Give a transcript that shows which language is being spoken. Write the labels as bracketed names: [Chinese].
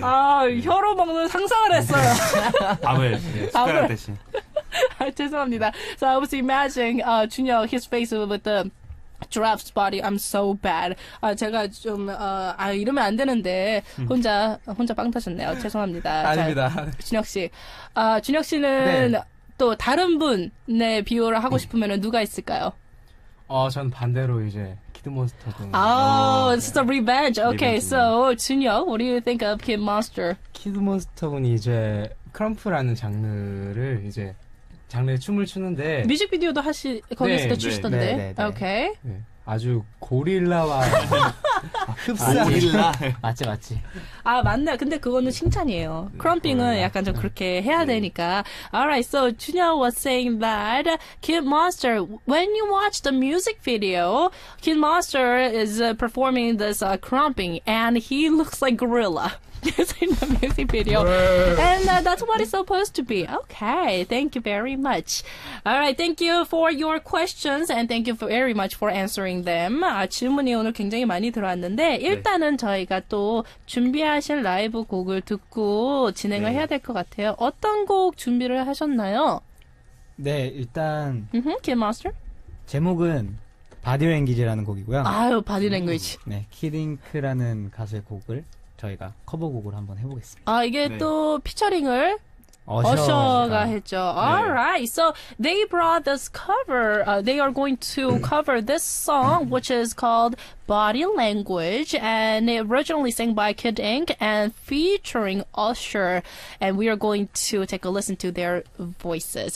[Korean] 아 혀로 먹는 상상을 했어요. 밥을 숟가락 대신. 아 죄송합니다. [English] So I was imagining, Junyeol, his face with the draft body. I'm so bad. [Korean] 아 제가 좀 아 이러면 안 되는데 혼자 빵 터졌네요. 죄송합니다. 아닙니다. 준혁 씨. 아 준혁 씨는 네. 또 다른 분의 비유를 하고 싶으면은 누가 있을까요? 전 반대로 이제 키드몬스터. [English] 아, it's the revenge. Okay, so Junyeol, what do you think of Kid Monster? [Korean] 키드몬스터 분이 이제 크럼프라는 장르를 이제 장르에 춤을 추는데 뮤직비디오도 하시 거기서도 네, 추시던데. 네, 네, 네. 오케이. 네. 아주 고릴라와 흡사. 고릴라. 맞지 맞지. 아 맞네. 근데 그거는 칭찬이에요. 네, 크럼핑은 고릴라. 약간 좀 그렇게 해야 네. 되니까. [English] Alright, so Junyeol was saying that Kid Monster, when you watch the music video, Kid Monster is performing this crumping and he looks like gorilla. In the music video. And that's what it's supposed to be. Okay, thank you very much. Alright, thank you for your questions and thank you very much for answering them. [Korean] 아, 질문이 오늘 굉장히 많이 들어왔는데 일단은 네. 저희가 또 준비하신 라이브 곡을 듣고 진행을 네. 해야 될 것 같아요. 어떤 곡 준비를 하셨나요? 네, 일단 [English] Kid Monster? [Korean] 제목은 Body Language라는 곡이고요. 아유, Body Language. 네, Kid Ink라는 가수의 곡을 저희가 커버곡으로 한번 해보겠습니다. 아 이게 네. 또 피처링을 어셔가 했죠. [English] Alright, 네. so they brought this cover. They are going to cover this song, which is called Body Language, and it originally sang by Kid Ink and featuring Usher. And we are going to take a listen to their voices.